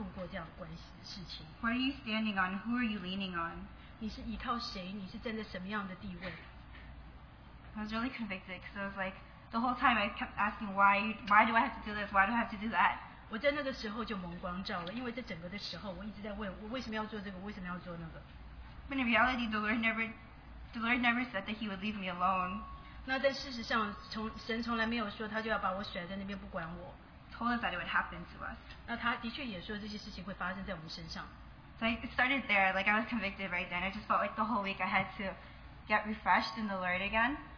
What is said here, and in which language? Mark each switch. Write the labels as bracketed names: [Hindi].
[Chinese] 那最更好的问题就是，当这些事情临到你的时候，你要怎么样度过这样的关系事情？ [English] What are you standing on? Who are you leaning on? [Chinese] 你是依靠谁？你是站在什么样的地位？ [English] I was really convicted because I was like, the whole time I kept asking why do I have to do this? Why do I have to do that? [Chinese] 我在那个时候就蒙光照了，因为在整个的时候，我一直在问我为什么要做这个，为什么要做那个。 [English] But in reality, the Lord never said that He would leave me alone. [Chinese] 那在事实上，神从来没有说他就要把我甩在那边不管我。 [English] Told us that it would happen to us. [Chinese] 那他的确也说这些事情会发生在我们身上。 [English] So I started there, like I was convicted right then. I just felt like the whole week I had to get refreshed in the Lord again.